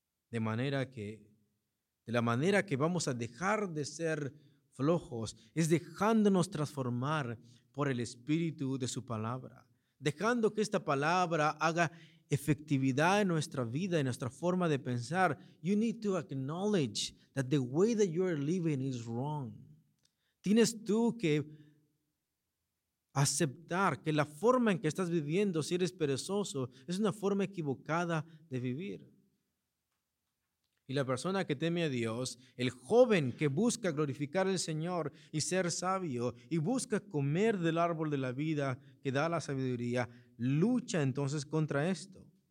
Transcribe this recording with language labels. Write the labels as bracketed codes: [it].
[es] De manera que, de la manera que vamos a dejar de ser flojos, es dejándonos transformar por el Espíritu de su palabra, dejando que esta palabra haga efectividad en nuestra vida, en nuestra forma de pensar. [en] You need to acknowledge that the way that you are living is wrong. [es] Tienes tú que aceptar que la forma en que estás viviendo, si eres perezoso, es una forma equivocada de vivir. Y la persona que teme a Dios, el joven que busca glorificar al Señor y ser sabio y busca comer del árbol de la vida que da la sabiduría, lucha entonces contra esto.